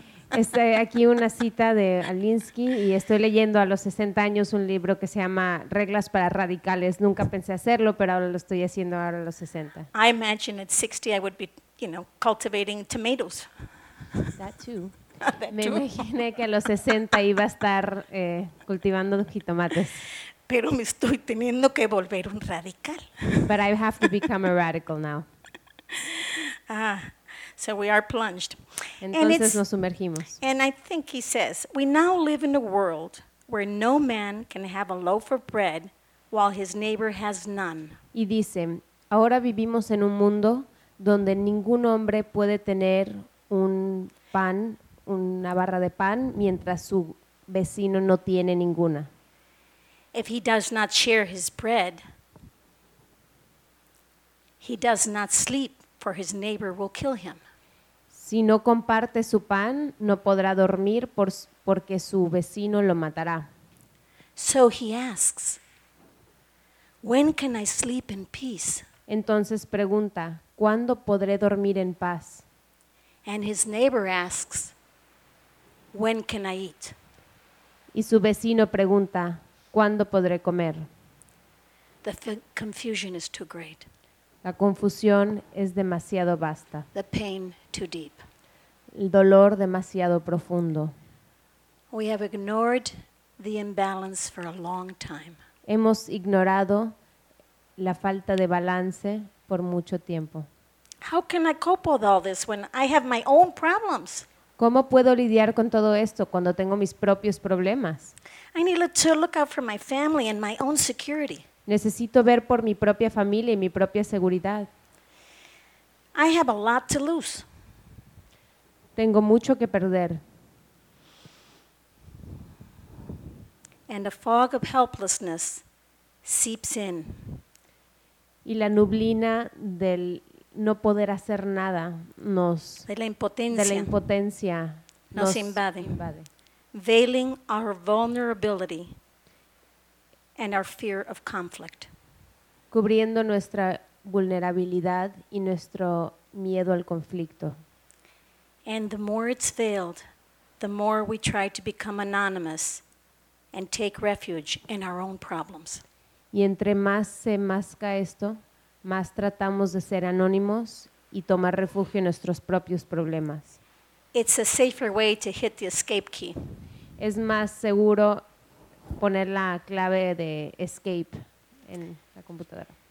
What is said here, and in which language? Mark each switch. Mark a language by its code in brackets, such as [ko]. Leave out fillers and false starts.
[es] Está aquí una cita de Alinsky y estoy leyendo a los 60 años un libro que se llama Reglas para Radicales. Nunca pensé hacerlo, pero ahora lo estoy haciendo ahora a los 60. [en] I imagine at 60 I would be, you know, cultivating tomatoes. That too. [es] Me imaginé que a los 60 iba a estar cultivando jitomates. Pero me estoy teniendo que volver un radical. [en] But I have to become a radical now. So we are plunged. [es] Entonces nos sumergimos. [en] And I think he says, we now live in a world where no man can have a loaf of bread while his neighbor has none. [es] Y dice, ahora vivimos en un mundo donde ningún hombre puede tener un pan, una barra de pan, mientras su vecino no tiene ninguna. [en] If he does not share his bread, he does not sleep, for his neighbor will kill him. [es] Si no comparte su pan, no podrá dormir porque su vecino lo matará. [en] So he asks, when can I sleep in peace? [es] Entonces pregunta, ¿cuándo podré dormir en paz? [en] And his neighbor asks, when can I eat? [es] Y su vecino pregunta, ¿cuándo podré comer? [en] The confusion is too great. [es] La confusión es demasiado vasta. [en] The pain too deep. [es] El dolor demasiado profundo. [en] We have ignored the imbalance for a long time. [es] Hemos ignorado la falta de balance por mucho tiempo. [en] How can I cope with all this when I have my own problems? [es] ¿Cómo puedo lidiar con todo esto cuando tengo mis propios problemas? [en] I need to look out for my family and my own security. [es] Necesito ver por mi propia familia y mi propia seguridad. [en] I have a lot to lose. [es] Tengo mucho que perder. [en] And a fog of helplessness seeps in. [es] Y la neblina del no poder hacer nada nos de la impotencia nos invade. [en] Veiling our vulnerability and our fear of conflict. [es] Cubriendo nuestra vulnerabilidad y nuestro miedo al conflicto. [en] And the more it's veiled, the more we try to become anonymous and take refuge in our own problems. [es] Y entre más se masca esto, más tratamos de ser anónimos y tomar refugio en nuestros propios problemas. [en] It's a safer way to hit the escape key. [es] Es más seguro poner la clave de escape en la computadora.